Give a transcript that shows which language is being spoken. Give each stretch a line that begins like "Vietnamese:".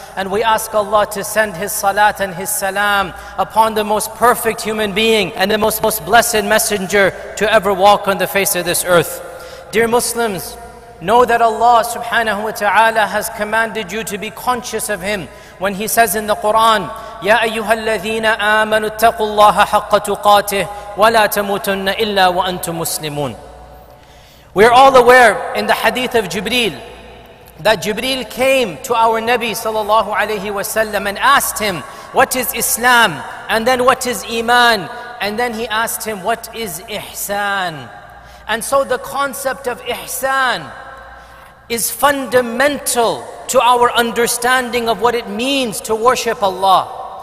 English: And we ask Allah to send His salat and His salam upon the most perfect human being and the most blessed messenger to ever walk on the face of this earth. Dear Muslims, know that Allah subhanahu wa ta'ala has commanded you to be conscious of Him when He says in the Quran,
Arabic: يا أيها الذين آمنوا اتقوا الله حق تقاته ولا تموتن إلا وأنتم مسلمون.
English: We are all aware in the hadith of Jibreel that Jibreel came to our Nabi sallallahu alayhi wa sallam and asked him, what is Islam? And then what is Iman? And then he asked him, what is Ihsan? And so the concept of Ihsan is fundamental to our understanding of what it means to worship Allah.